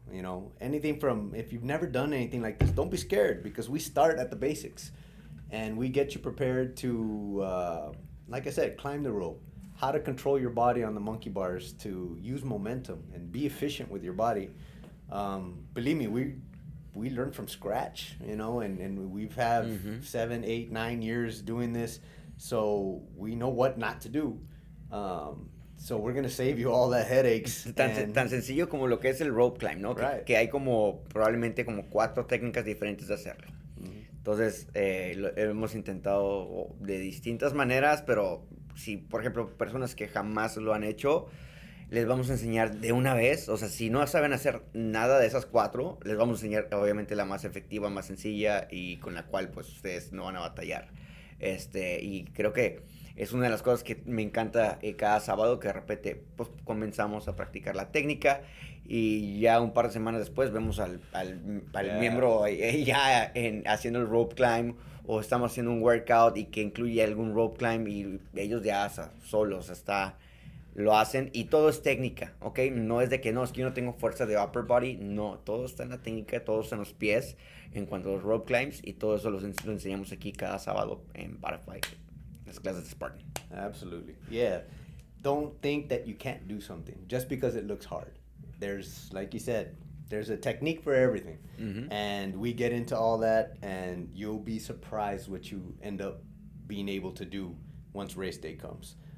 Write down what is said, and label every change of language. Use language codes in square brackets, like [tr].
[en] You know, anything from, if you've never done anything like this, don't be scared, because we start at the basics and we get you prepared to, like I said, climb the rope, how to control your body on the monkey bars to use momentum and be efficient with your body. Believe me, we learn from scratch, you know, and we've had mm-hmm. 7, 8, 9 years doing this. So we know what not to do. So we're going to save you all the headaches. [es] Tan sencillo como lo que es el rope climb, ¿no? [en] Right. [es] Que hay como probablemente como 4 técnicas diferentes de hacerlo. Mm-hmm. Entonces, hemos intentado de distintas maneras, pero si, por ejemplo, personas que jamás lo han hecho, les vamos a enseñar de una vez. O sea, si no saben hacer nada de esas 4, les vamos a enseñar obviamente la más efectiva, más sencilla y con la cual, pues, ustedes no van a batallar. Y creo que es una de las cosas que me encanta cada sábado, que de repente pues, comenzamos a practicar la técnica y ya un par de semanas después vemos al miembro ya haciendo el rope climb, o estamos haciendo un workout y que incluye algún rope climb y ellos ya solos, está lo hacen y todo es técnica, ¿ok? No es de que no, es que yo no tengo fuerza de upper body, no, todo está en la técnica, todo está en los pies en cuanto a los rope climbs y todo eso lo enseñamos aquí cada sábado en Butterfly, las clases de Spartan. [en] Absolutely, yeah. Don't think that you can't do something just because it looks hard. There's, like you said, there's a technique for everything. Mm-hmm. And we get into all that and you'll be surprised what you end up being able to do once race day comes.